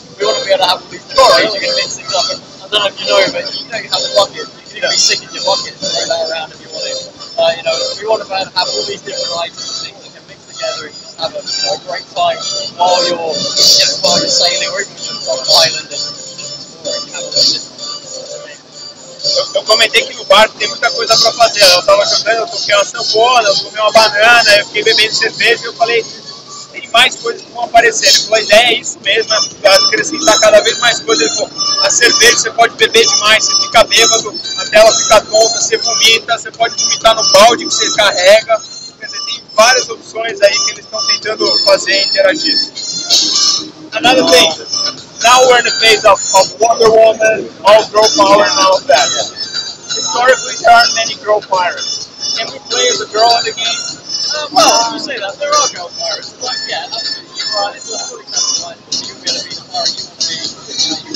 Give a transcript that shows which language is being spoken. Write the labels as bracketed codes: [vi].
[en] We want to be able to have all these different ways you're going to mix things up. And I don't know if you know, but you know you have a bucket. You can be sick in your bucket and lay around if you want to. You know, we want to be able to have all these different items and things that can mix together and just have a great time while you're, you know, while you're sailing or even just on an island and just exploring. [pt] Eu comentei que no bar tem muita coisa pra fazer. Eu tava jogando, eu toquei uma sanfona, eu comi uma banana, eu fiquei bebendo cerveja e eu falei, tem mais coisas que vão aparecer. Ele falou, a ideia é isso mesmo, é acrescentar cada vez mais coisas. Ele falou, a cerveja você pode beber demais, você fica bêbado, a tela fica tonta, você vomita, você pode vomitar no balde que você carrega. Quer dizer, tem várias opções aí que eles estão tentando fazer e interagir. [en] Another thing. Now we're in the phase of Wonder Woman, all girl power and all of that. Yeah. Historically, there aren't many girl pirates. Can we play as a girl in the game? Well, if you say that, there are girl pirates. But yeah, absolutely. You're right. It's not fully customized. You're going to be the pirate you want to be.